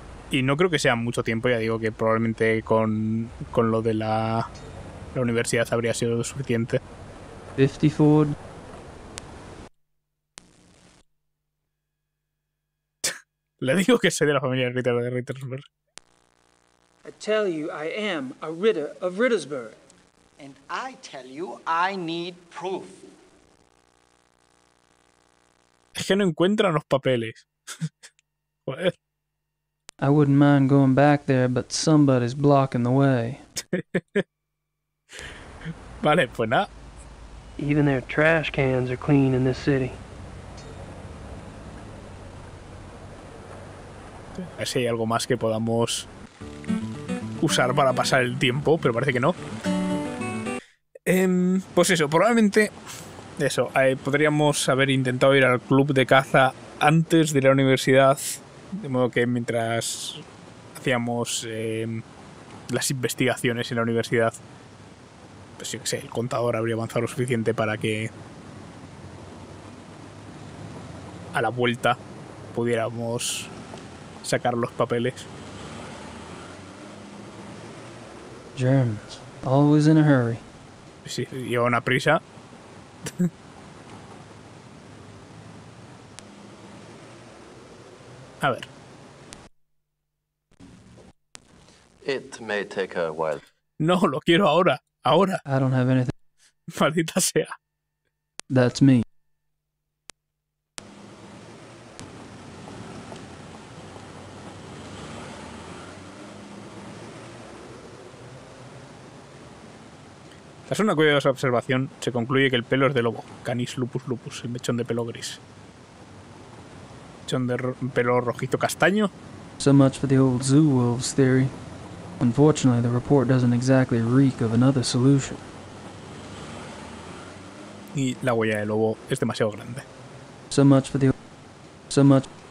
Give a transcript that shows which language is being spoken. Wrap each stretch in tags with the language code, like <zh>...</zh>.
<es>Y no creo que sea mucho tiempo, ya digo que probablemente con lo de la universidad habría sido suficiente. 54. Le digo que soy de la familia Ritter de Rittersburg.</es> <en>I tell you, I am a Ritter of Rittersburg. And I tell you, I need proof.</en> <es>Es que no encuentran los papeles. Joder.</es> <en>I wouldn't mind going back there, but somebody's blocking the way.</en> <es>Vale, pues nada.</es> <en>Even their trash cans are clean in this city.</en> <es>A ver si hay algo más que podamos usar para pasar el tiempo, pero parece que no. Pues eso, probablemente eso, podríamos haber intentado ir al club de caza antes de la universidad, de modo que mientras hacíamos las investigaciones en la universidad, pues yo qué sé, el contador habría avanzado lo suficiente para que a la vuelta pudiéramos sacar los papeles.</es> <en>Germans, always in a hurry.</en> <es>Sí, lleva una prisa. A ver.</es> <en>It may take a while.</en> <es>No, lo quiero ahora. Ahora.</es> <en>I don't have anything.</en> <es>Maldita sea.</es> <en>That's me.</en> <es>Tras una cuidadosa observación, se concluye que el pelo es de lobo. Canis lupus lupus, el mechón de pelo gris. Mechón de pelo rojito castaño.</es> <en>So much for the old zoo wolves theory. Unfortunately, the report doesn't exactly reek of another solution.</en> <es>Y la huella de lobo es demasiado grande.</es> <en>So much for the. So much.</en>